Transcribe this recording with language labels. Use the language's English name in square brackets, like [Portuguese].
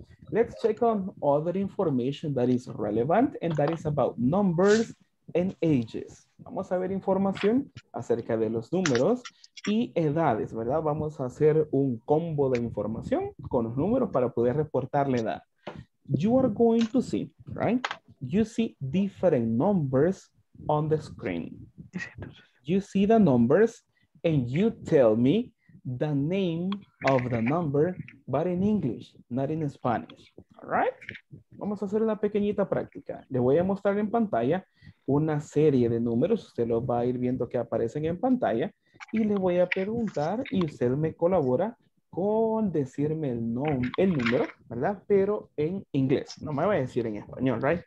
[English] Let's check on other information that is relevant and that is about numbers and ages. [Spanish] Vamos a ver información acerca de los números y edades, ¿verdad? Vamos a hacer un combo de información con los números para poder reportar la edad. [English] You are going to see, right? You see different numbers on the screen. You see the numbers and you tell me the name of the number, but in English, not in Spanish. All right? [Spanish] Vamos a hacer una pequeñita práctica. Le voy a mostrar en pantalla una serie de números. Usted los va a ir viendo que aparecen en pantalla. Y le voy a preguntar y usted me colabora con decirme el número, ¿verdad? Pero en inglés. No me va a decir en español, [English] right?